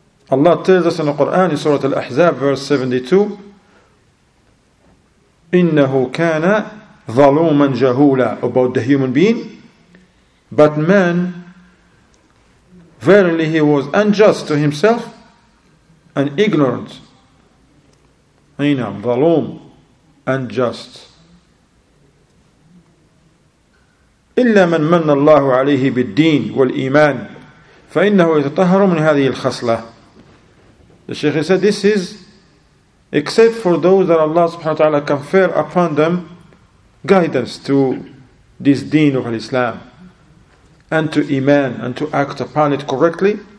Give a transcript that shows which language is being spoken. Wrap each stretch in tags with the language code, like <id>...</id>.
<en>Allah tells us in the Quran, in Surah Al-Ahzab, verse 72,</en> <ar>إِنَّهُ كَانَ ظَلُومًا جَهُولًا,</ar> <en>about the human being. But man, verily he was unjust to himself and ignorant.</en> <ar>أَيْنَمْ ظَلُومٌ, unjust. إِلَّا مَنْ مَنَّ اللَّهُ عَلَيْهِ بِالدِّينِ وَالْإِيمَانِ فَإِنَّهُ يَتَطَهَرُ مِنْ هَذِهِ الْخَصْلَةِ.</ar> <en>The Shaykh said, this is except for those that Allah subhanahu wa ta'ala confer upon them guidance to this deen of Islam and to iman and to act upon it correctly.</en>